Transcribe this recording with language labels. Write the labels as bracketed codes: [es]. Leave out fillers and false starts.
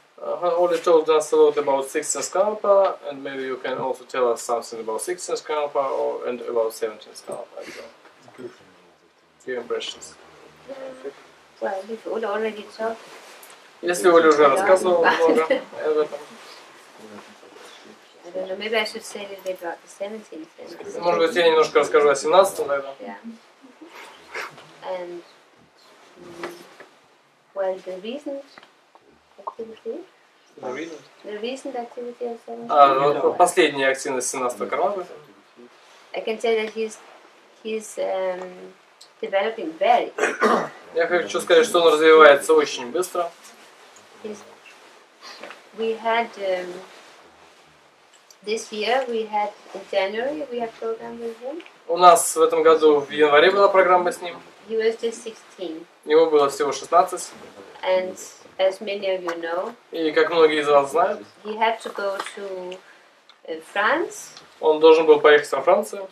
[en] Оля told us a lot about 16th karmapa, and maybe you can also tell us something about 16th karmapa and about 17th karmapa as well. Your impressions. Well, if Ola already talked. Yes, Ola already talked. I don't know. Maybe I should say a little bit about the 17th. [ru] Может быть, я немножко расскажу о 17-м, наверное. [en] Yeah. And well, the recent activity. The recent activity. [ru] Последняя активность 17-го кармапы. [en] I can say that he's developing very. [ru] Я хочу сказать, что он развивается очень быстро. [en] We had this year we had in January we had program with him. [ru] У нас в этом году в январе была программа с ним. [en] He was just 16. [ru] Ему было всего 16. [en] And as many of you know. [ru] И как многие из вас знают. [en] He had to go to France. [ru] Он должен был поехать во Францию,